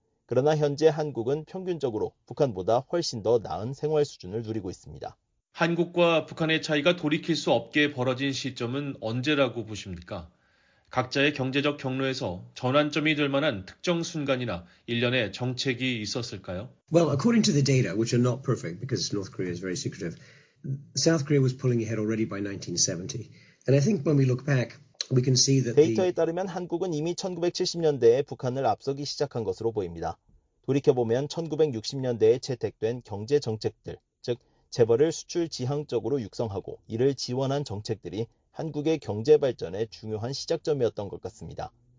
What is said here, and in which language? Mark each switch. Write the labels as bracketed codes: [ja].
[ko] 그러나 현재 한국은 평균적으로 북한보다 훨씬 더 나은 생활 수준을 누리고 있습니다. 한국과 북한의 차이가 돌이킬 수 없게 벌어진 시점은 언제라고 보십니까? 각자의 경제적 경로에서 전환점이 될 만한 특정 순간이나 일련의 정책이 있었을까요? [en] Well, according to the data, which are not perfect because North Korea is very secretive, South Korea was pulling ahead already by 1970. And I think when we look back, [ko] 데이터에 따르면 한국은 이미 1970년대에 북한을 앞서기 시작한 것으로 보입니다. 돌이켜보면 1960년대에 채택된 경제 정책들, 즉 재벌을 수출 지향적으로 육성하고 이를 지원한 정책들이 한국의 경제 발전의 중요한 시작점이었던 것 같습니다.